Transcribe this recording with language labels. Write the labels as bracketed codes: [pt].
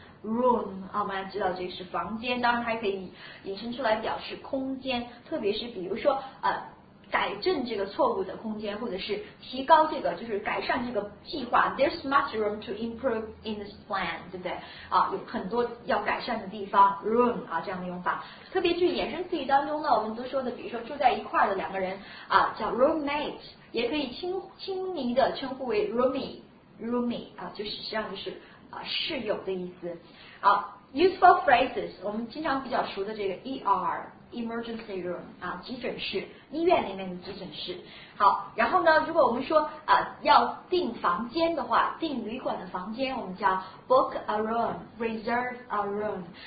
[zh] Room 啊，我们知道这是房间，当然还可以引申出来表示空间，特别是比如说改正这个错误的空间，或者是提高这个就是改善这个计划。 [en] There's much room to improve in this plan， 对不对？ [zh] 啊，有很多要改善的地方。 Room 啊，这样的用法，特别是衍生词语当中呢，我们都说的，比如说住在一块的两个人啊，叫 roommate， 也可以亲昵的称呼为 roomie 啊，就是实际上就是。室友的意思好 [en] useful phrases [zh] 我们经常比较熟的这个 ER emergency room 啊，急诊室医院里面的急诊室好然后呢如果我们说要订房间的话订旅馆的房间我们叫 [en] book a room reserve a room